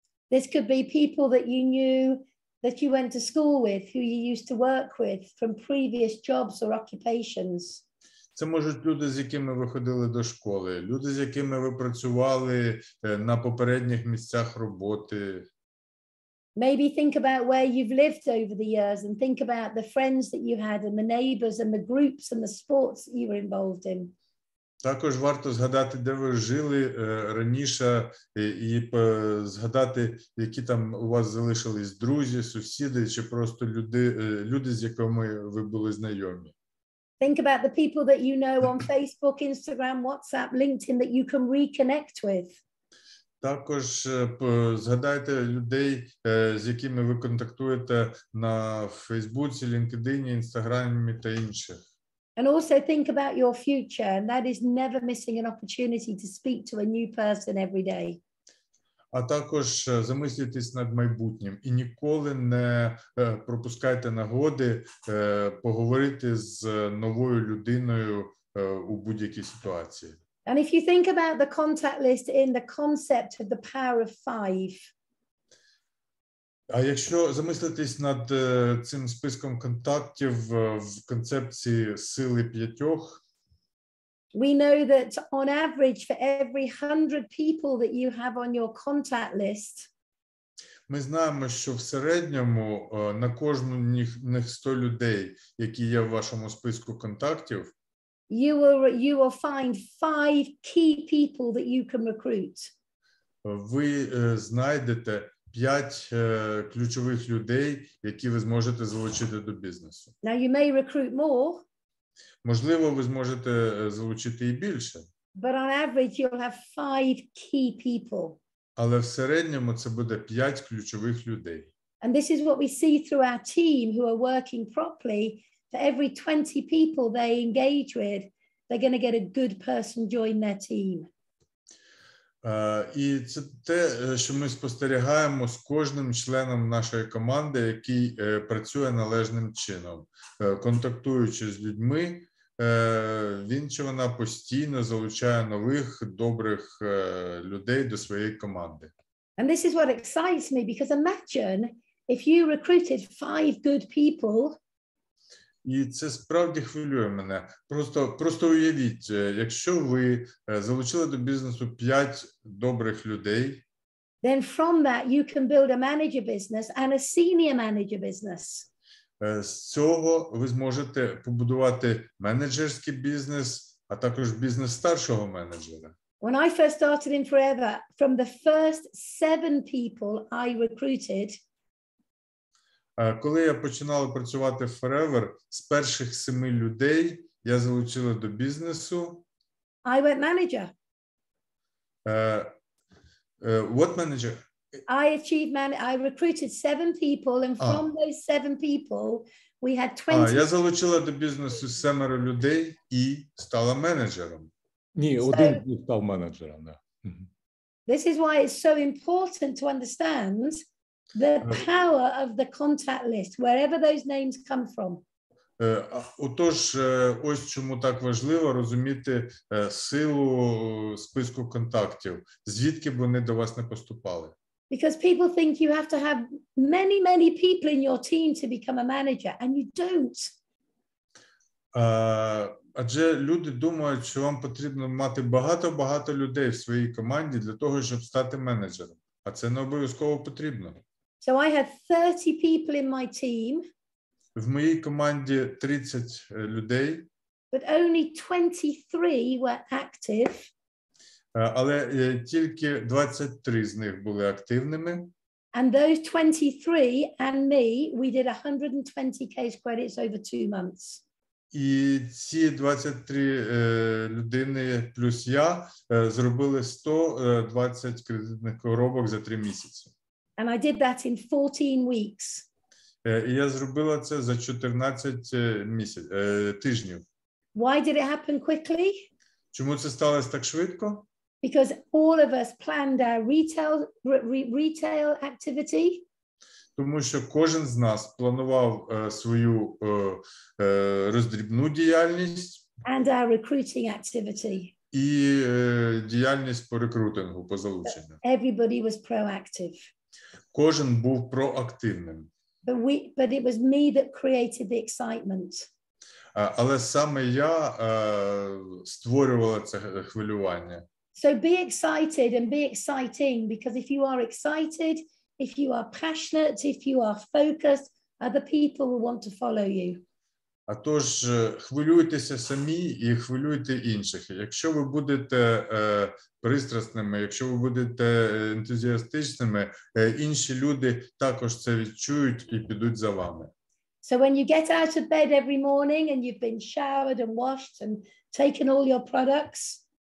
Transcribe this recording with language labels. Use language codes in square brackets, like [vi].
[en] This could be people that you knew, that you went to school with, who you used to work with from previous jobs or occupations. [uk] Це можуть люди, з якими ви ходили до школи, люди, з якими ви працювали на попередніх місцях роботи. [en] Maybe think about where you've lived over the years and think about the friends that you had and the neighbors and the groups and the sports that you were involved in. [uk] Також варто згадати, де ви жили раніше і згадати, які там у вас залишились друзі, сусіди чи просто люди, з якими ви були знайомі. [en] Think about the people that you know on Facebook, Instagram, WhatsApp, LinkedIn that you can reconnect with. [uk] Також згадайте людей, з якими ви контактуєте на Фейсбуці, LinkedIn, Інстаграмі та інших. [en] And also think about your future, and that is never missing an opportunity to speak to a new person every day. [uk] А також замислюйтесь над майбутнім і ніколи не пропускайте нагоди поговорити з новою людиною у будь-якій ситуації. [en] And if you think about the contact list in the concept of the power of five. [uk] А якщо замислитись над цим списком контактів в концепції сили п'ятьох. [en] We know that on average for every 100 people that you have on your contact list. [uk] Ми знаємо, що в середньому на кожну них 100 людей, які є в вашому списку контактів. [en] You will find five key people that you can recruit. [uk] Ви знайдете 5 ключових людей, які ви зможете залучити до бізнесу. [en] Now you may recruit more. [uk] Можливо, ви зможете залучити і більше. [en] But on average you'll have five key people. [uk] Але в середньому це буде 5 ключових людей. [en] And this is what we see through our team who are working properly. For every 20 people they engage with, they're going to get a good person join their team. [uk] І це те, що ми спостерігаємо з кожним членом нашої команди, який працює належним чином. Контактуючи з людьми, він чи вона постійно залучає нових, добрих людей до своєї команди. [en] And this is what excites me, because imagine if you recruited five good people, [uk] І це справді хвилює мене. Просто уявіть, якщо ви залучили до бізнесу 5 добрих людей, [en] then from that you can build a manager business and a senior manager business. [uk] З цього ви зможете побудувати менеджерський бізнес, а також бізнес старшого менеджера. [en] When I first started in Forever, from the first 7 people I recruited, [uk] коли я починала працювати в Forever, з перших 7 людей я залучила до бізнесу. [en] I went manager. What manager? I recruited 7 people, and from those 7 people, we had 20. [uk] Я залучила до бізнесу 7 людей і стала менеджером. Ні, один став менеджером, да. [en] This is why it's so important to understand the power of the contact list, wherever those names come from. [uk] Отож, ось чому так важливо розуміти силу списку контактів, звідки б вони до вас не поступали. [en] Because people think you have to have many, many people in your team to become a manager, and you don't. [uk] Адже люди думають, що вам потрібно мати багато-багато людей в своїй команді для того, щоб стати менеджером. А це не обов'язково потрібно. [en] So I had 30 people in my team. [uk] В моїй команді 30 людей. [en] But only 23 were active. [uk] Але тільки 23 з них були активними. [en] And those 23 and me, we did 120 case credits over 2 months. [uk] І ці 23 людини плюс я зробили 120 кредитних коробок за 3 місяці. [en] And I did that in 14 weeks. [uk] І я зробила це за 14 тижнів. [en] Why did it happen quickly? [uk] Чому це сталося так швидко? [en] Because all of us planned our retail activity. [uk] Тому що кожен з нас планував свою роздрібну діяльність. [en] And our recruiting activity. [uk] І діяльність по рекрутингу, по залученню. [en] Everybody was proactive. [uk] Кожен був проактивним. [en] But it was me that created the excitement. [uk] Але саме я створювала це хвилювання. [en] So be excited and be exciting, because if you are excited, if you are passionate, if you are focused, other people will want to follow you. [uk] Отож, хвилюйтеся самі і хвилюйте інших. Якщо ви будете пристрасними, якщо ви будете ентузіастичними, інші люди також це відчують і підуть за вами. [en] So when you get out of bed every morning and you've been showered and washed and taken all your products,